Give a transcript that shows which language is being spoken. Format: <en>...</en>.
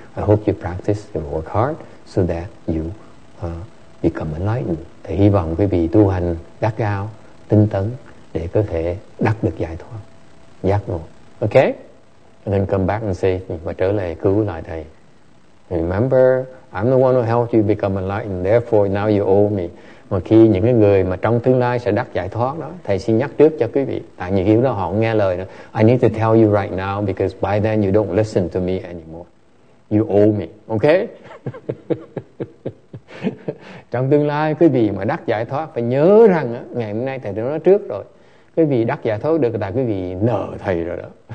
<en>I hope you practice, you work hard so that you become enlightened.</en> <vi>Thì hy vọng quý vị tu hành gắt gao, tinh tấn để có thể đắc được giải thoát, giác ngộ. Ok?</vi> <en>And then come back and say,</en> <vi>và trở lại cứu lại thầy.</vi> <en>Remember, I'm the one who helped you become enlightened, therefore now you owe me.</en> <vi>Mà khi những cái người mà trong tương lai sẽ đắc giải thoát đó, thầy xin nhắc trước cho quý vị. Tại vì khiếu đó họ không nghe lời nữa.</vi> <en>I need to tell you right now because by then you don't listen to me anymore. You owe me. Ok?</en> <vi>Trong tương lai quý vị mà đắc giải thoát phải nhớ rằng ngày hôm nay thầy đã nói trước rồi, quý vị đắc giải thoát được là quý vị nợ thầy rồi đó.</vi>